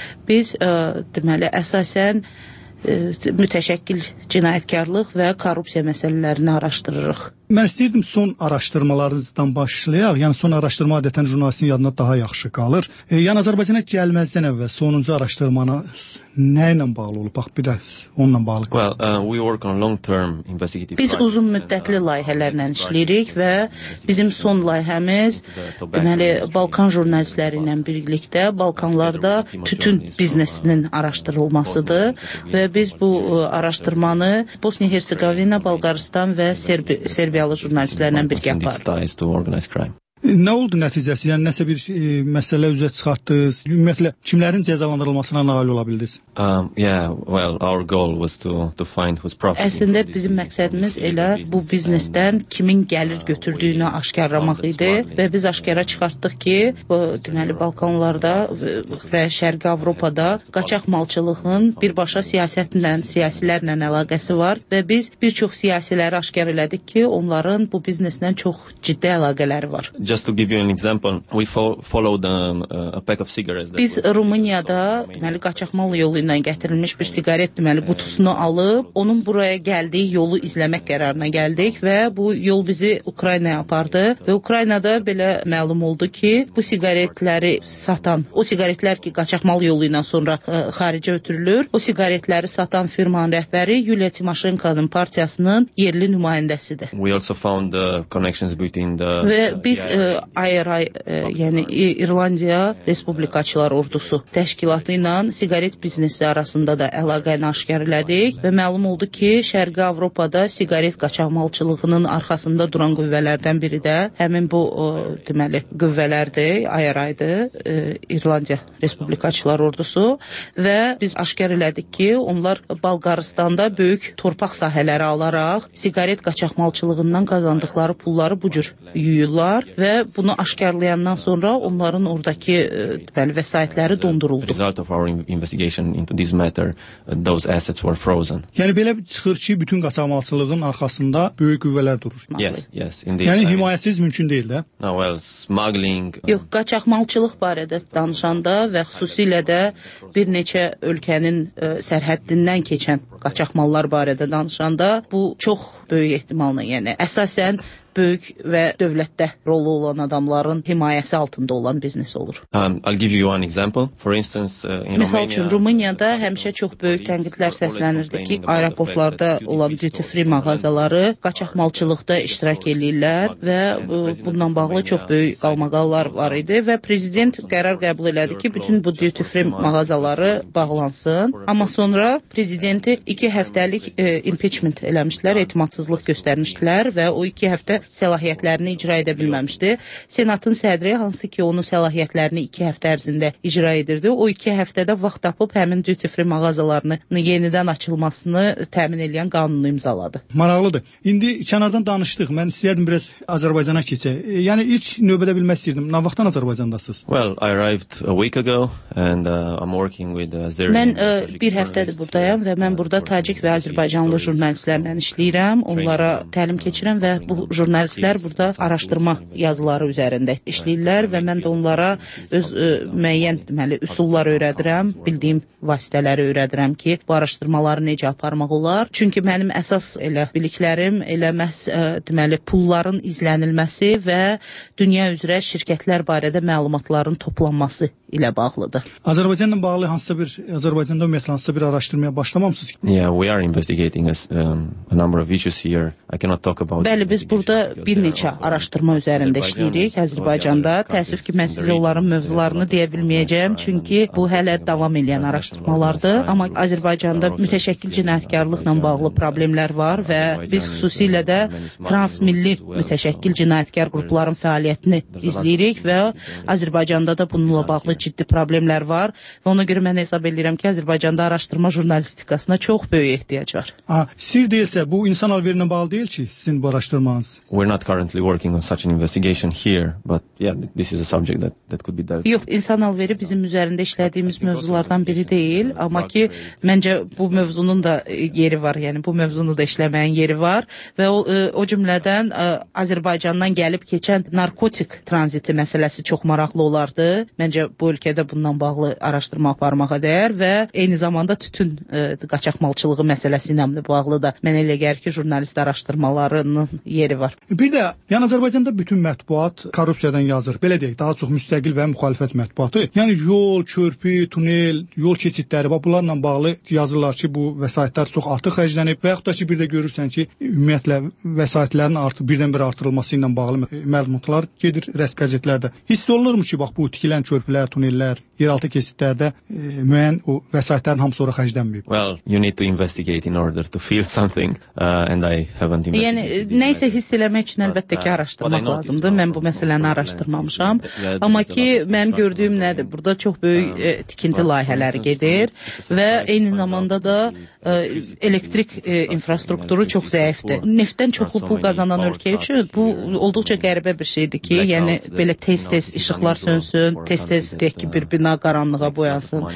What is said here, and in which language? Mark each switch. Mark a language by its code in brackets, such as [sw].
[az] Biz deməli əsasən mütəşəkkil cinayətkarlıq və korrupsiya məsələlərini araşdırırıq. Mən istəyirdim son araşdırmalarınızdan başlayaq. Yəni son araşdırma adətən jurnalistin yadına daha yaxşı qalır. Yəni Azərbaycana gəlməzdən əvvəl sonuncu araşdırmanız nə ilə bağlı olub? Bax bir az onunla bağlı. [en] Well, we work on long-term investigative. [az] Biz uzun müddətli layihələrlə işləyirik və bizim son layihəmiz deməli Balkan jurnalistləri ilə birlikdə Balkanlarda tütün biznesinin araşdırılmasıdır və biz bu araşdırmanı Bosniya Hersegovina, Bolqarıstan və Serbiyalı jurnalistlərlə birgə aparırıq. Nə oldu nəticəsi? Yəni nəsə bir məsələ üzə çıxartdınız. Ümumiyyətlə kimlərin cəzalandırılmasına nail ola bildiniz? [en] Our goal was to find who's profit. [az] Əslində bizim məqsədimiz elə bu biznesdən kimin gəlir götürdüyünü aşkarlamaq idi və biz aşkara çıxartdıq ki, bu deməli Balkanlarda və Şərqi Avropada qaçaq malçılığın birbaşa siyasətlə, siyasilərlə əlaqəsi var və biz bir çox siyasiləri aşkar elədik ki, onların bu bizneslə çox ciddi əlaqələri var. [en] Just to give you an example, we followed a pack of cigarettes. [az] Biz Rumıniyada deməli qaçaqmal yolu ilə gətirilmiş bir siqaret deməli qutusunu alıb onun buraya gəldiyi yolu izləmək qərarına gəldik və bu yol bizi Ukraynaya apardı və Ukraynada belə məlum oldu ki, bu siqaretləri satan, o siqaretlər ki, qaçaqmal yolu ilə sonra xaricə ötürülür. O siqaretləri satan firmanın rəhbəri Yuliya Timoşenkonun partiyasının yerli nümayəndəsidir. [en] We also found the connections between the [az] Biz yəni İrlandiya Respublikaçılar Ordusu təşkilatı ilə siqaret biznesi arasında da əlaqəni aşkar elədik və məlum oldu ki, Şərqi Avropada siqaret qaçaqmalçılığının arxasında duran qüvvələrdən biri də həmin bu deməli qüvvələrdir, IRI-dir, İrlandiya Respublikaçılar Ordusu və biz aşkar elədik ki, onlar Balqaristanda böyük torpaq sahələri alaraq siqaret qaçaqmalçılığından qazandıqları pulları bu cür yuyurlar və bunu aşkarlayandan sonra onların oradakı deməli vəsaitləri donduruldu. [en] Result of our investigation into this matter, those assets were frozen. [az] Yəni belə çıxır ki, bütün qaçaqmalçılığın arxasında böyük qüvvələr durur. [en] Yes, indeed. [az] Yəni himayəsiz mümkün deyil də. [en] No, well, smuggling. [az] Yox, qaçaqmalçılıq barədə danışanda və xüsusilə də bir neçə ölkənin sərhəddindən keçən qaçaqmallar barədə danışanda bu çox böyük ehtimalla, yəni əsasən böyük və dövlətdə rolu olan adamların himayəsi altında olan biznes olur. [en] I'll give you one example. For instance, in Romania, [az] məsəl üçün, Rumıniyada həmişə çox böyük tənqidlər səslənirdi ki, aeroportlarda olan duty free mağazaları qaçaq malçılıqda iştirak edirlər və bundan bağlı çox böyük qalmaqallar var idi və prezident qərar qəbul elədi ki, bütün bu duty free mağazaları bağlansın. Amma sonra prezidenti 2 həftəlik impeachment eləmişlər, etimadsızlıq göstərmişdilər və o 2 həftə səlahiyyətlərini icra edə bilməmişdi. Senatın sədri, hansı ki onun səlahiyyətlərini 2 həftə ərzində icra edirdi, o 2 həftədə vaxt tapıb həmin duty free mağazalarının yenidən açılmasını təmin edən qanunu imzaladı. Maraqlıdır. İndi kənardan danışdıq. Mən istəyərdim biraz Azərbaycana keçək. Yəni ilk növbədə bilmək istəyirdim. Nə vaxtdan Azərbaycandasınız? [en] Well, I arrived a week ago and I'm working with Azerbaijani. [az] Mən bir həftədir buradayam və mən burada Tacik və Azərbaycanlı jurnalistlərlə işləyirəm, onlara təlim keçirəm və bu jurnalistlər burada araşdırma yazıları üzərində işləyirlər və mən də onlara öz müəyyən deməli üsullar öyrədirəm, bildiyim vasitələri öyrədirəm ki, bu araşdırmaları necə aparmaq olar. Çünki mənim əsas elə biliklərim elə məhz deməli pulların izlənilməsi və dünya üzrə şirkətlər barədə məlumatların toplanması ilə bağlıdır. Azərbaycanla bağlı hansısa bir Azərbaycanda ümumiyyətlə hansısa bir araşdırmaya başlamamısınız? [en] Yeah, we are investigating a number of issues here. I cannot talk about. [az] Bəli, biz burada bir neçə araşdırma üzərində işləyirik Azərbaycanda. Təəssüf ki, mən sizə onların mövzularını deyə bilməyəcəm, çünki bu hələ davam edən araşdırmalardır. Amma Azərbaycanda mütəşəkkil cinayətkarlıqla bağlı problemlər var və biz xüsusilə də transmilli mütəşəkkil cinayətkar qrupların fəaliyyətini izləyirik və Azərbaycanda da bununla bağlı ciddi problemlər var və ona görə mən hesab edirəm ki, Azərbaycanda araşdırma jurnalistikasına çox böyük ehtiyac var. Sir deyilsə, bu insan alverinə bağlı deyil ki, sizin bu araşdırmanız? [en] We're not currently working on such an investigation here, but yeah, this is a subject that could be dealt. [az] Yox, insan alveri bizim üzərində işlədiyimiz mövzulardan biri deyil, amma ki, məncə bu mövzunun da yeri var, yəni bu mövzunu da işləməyin yeri var və o cümlədən Azərbaycandan gəlib keçən narkotik tranziti məsələsi çox maraqlı olardı. Məncə bu ölkədə bundan bağlı araşdırma aparmağa dəyər və eyni zamanda tütün qaçaq malçılığı məsələsi ilə bağlı da mən elə gəlir ki, jurnalist araşdırmalarının yeri var. Bir də, yəni Azərbaycanda bütün mətbuat korrupsiyadan yazır. Belə deyək, daha çox müstəqil və müxalifət mətbuatı. Yəni yol, körpü, tunel, yol keçidləri və bunlarla bağlı yazırlar ki, bu vəsaitlər çox artıq xərclənib və yaxud da ki, bir də görürsən ki, ümumiyyətlə vəsaitlərin artıq birdən-bir artırılması ilə bağlı məlumatlar gedir rəs qəzetlərdə. Hiss olunurmu ki, bax bu tikilən körpülər, tunellər, yeraltı keçidlərdə müəyyən o vəsaitlərin hamısı ora xərclənməyib? [en] Well, you need to investigate in order to feel something and I haven't investigated. [az] Yəni nə isə hiss eləmək üçün əlbəttə ki, araşdırmaq lazımdır. Mən bu məsələni araşdırmamışam. Amma ki, mən gördüyüm nədir? Burada çox böyük tikinti layihələri gedir və eyni zamanda da elektrik infrastrukturu çox zəifdir. Neftdən çoxlu pul qazanan ölkə üçün bu olduqca qəribə bir şeydir ki, yəni belə tez-tez işıqlar sönsün, tez-tez deyək ki, bir bina qaranlığa boyansın.